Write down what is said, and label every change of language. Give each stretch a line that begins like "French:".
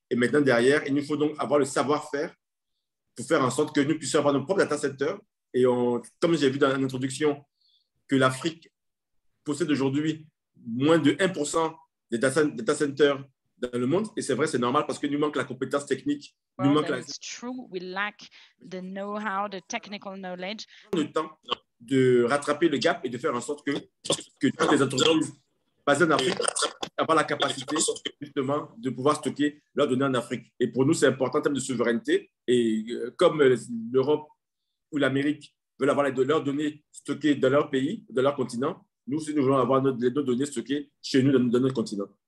French: Et maintenant, derrière, il nous faut donc avoir le savoir-faire pour faire en sorte que nous puissions avoir nos propres data centers. Et comme j'ai vu dans l'introduction, que l'Afrique possède aujourd'hui moins de 1% des data centers dans le monde. Et c'est vrai, c'est normal parce que nous manque la compétence technique. Nous manque la...
English: It's true, we lack the know-how, the technical knowledge.
French: Le temps de rattraper le gap et de faire en sorte que toutes les entreprises basées en Afrique aient la capacité justement de pouvoir stocker leurs données en Afrique. Et pour nous, c'est important en termes de souveraineté. Et comme l'Europe ou l'Amérique veulent avoir leurs données stockées dans leur pays, dans leur continent, nous aussi, nous voulons avoir nos données stockées chez nous, dans notre continent.